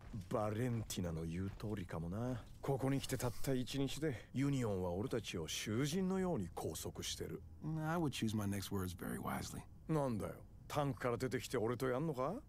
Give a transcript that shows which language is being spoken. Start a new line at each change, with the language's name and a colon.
Japanese: バレンティナの言う通りかもな。ここに来てたった一日で、ユニオンは俺たちを囚人のように拘束してる。
English: I would choose my next words very wisely.
Japanese: なんだよ、タンクから出てきて俺とやんのか